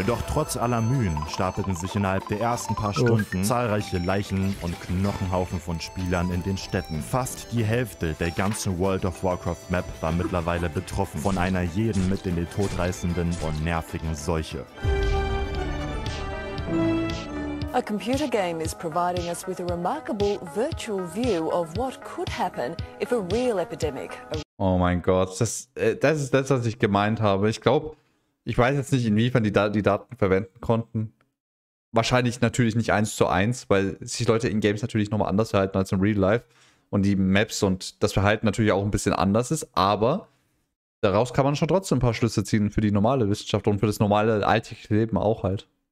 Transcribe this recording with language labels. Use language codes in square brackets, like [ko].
[de] Doch trotz aller Mühen stapelten sich innerhalb der ersten paar Stunden zahlreiche Leichen und Knochenhaufen von Spielern in den Städten. Fast die Hälfte der ganzen World of Warcraft Map war mittlerweile betroffen von einer jeden mit in den Tod reißenden und nervigen Seuche. [en] A computer game is providing us with a remarkable virtual view of what could happen if a real epidemic. [de] Oh mein Gott, das ist das, was ich gemeint habe. Ich glaube, ich weiß jetzt nicht, inwiefern die Daten verwenden konnten. Wahrscheinlich natürlich nicht 1:1, weil sich Leute in Games natürlich nochmal anders verhalten als im Real Life und die Maps und das Verhalten natürlich auch ein bisschen anders ist, aber daraus kann man schon trotzdem ein paar Schlüsse ziehen für die normale Wissenschaft und für das normale alltägliche Leben auch halt.